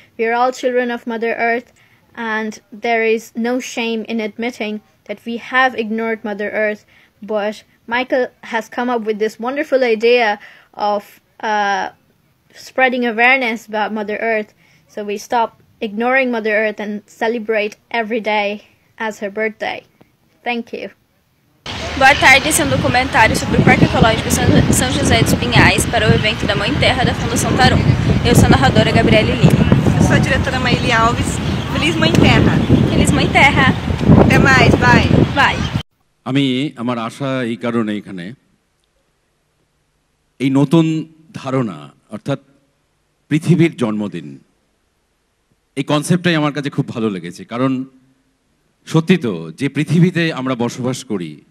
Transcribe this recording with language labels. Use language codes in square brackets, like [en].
[en] We are all children of Mother Earth, and there is no shame in admitting that we have ignored Mother Earth, but Michael has come up with this wonderful idea of spreading awareness about Mother Earth, so we stop ignoring Mother Earth and celebrate every day as her birthday. Thank you. [pt] Boa tarde, esse é um documentário sobre o Parque Ecológico São José dos Pinhais para o evento da Mãe Terra da Fundação Tarum. Eu sou a narradora Gabriely. Eu sou a diretora Maely Alves. Feliz Mãe Terra. Feliz Mãe Terra. Até mais, vai. Vai. [bn] আমি আমার আশা এই কারণে এখানে এই নতুন ধারণা অর্থাৎ পৃথিবীর জন্মদিন এই কনসেপ্টটাই আমার কাছে খুব ভালো লেগেছে কারণ সত্যি তো যে পৃথিবীতে আমরা বসবাস করি